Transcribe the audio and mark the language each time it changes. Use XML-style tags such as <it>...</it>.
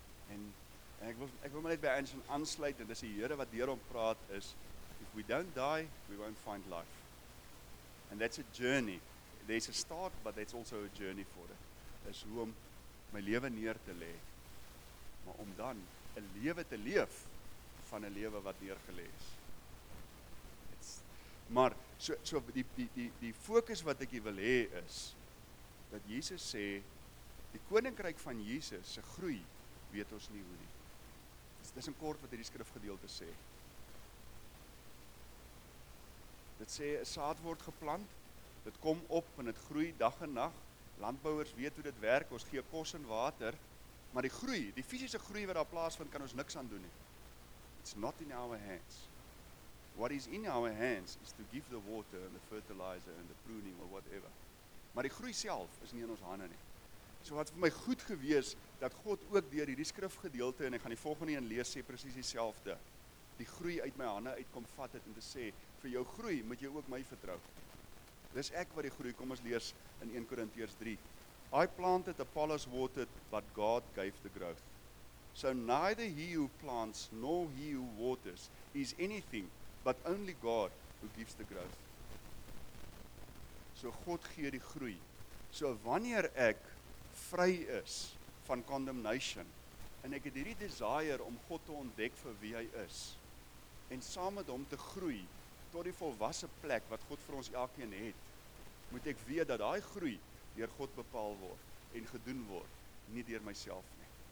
<af>En ek wil maar net by Anson aansluit, en dis die Here wat deur hom praat, is,</af> <en>if we don't die, we won't find life. And that's a journey. There's a start, but that's also a journey for it.</en> <af>Is hoe om my lewe neer te lê, maar om dan 'n lewe te leef van 'n lewe wat neergelê is. Maar, so die fokus wat ek hier wil hê is, dat Jesus sê, die koninkryk van Jesus se groei, weet ons nie hoe nie. Dis in kort wat hierdie skrifgedeelte sê. Dit sê, 'n saad word geplant, dit kom op en dit groei dag en nag, landbouers weet hoe dit werk, ons gee kos en water, maar die groei, die fisiese groei wat daar plaasvind, kan ons niks aan doen nie.</af> <en>It's not in our hands. What is in our hands is to give the water and the fertilizer and the pruning or whatever.</en> <af>Maar die groei self is nie in ons hande nie. So wat vir my goed gewees, dat God ook deur hierdie skrifgedeelte, en ek gaan die volgende een lees, sê presies dieselfde, die groei uit my hande uitkom vat het, en te sê, vir jou groei moet jy ook my vertrou. Dis ek wat die groei, kom ons lees in 1 Korintiërs 3.</af> <en>I planted, Apollos watered, but God gave the growth. So neither he who plants nor he who waters is anything, but only God who gives the growth.</en> <af>So God gee die groei. So wanneer ek vry is van condemnation, en ek het hierdie desire om God te ontdek vir wie hy is, en saam met hom te groei tot die volwasse plek wat God vir ons elkeen het, moet ek weet dat daai groei deur God bepaal word en gedoen word, nie deur myself nie.</af>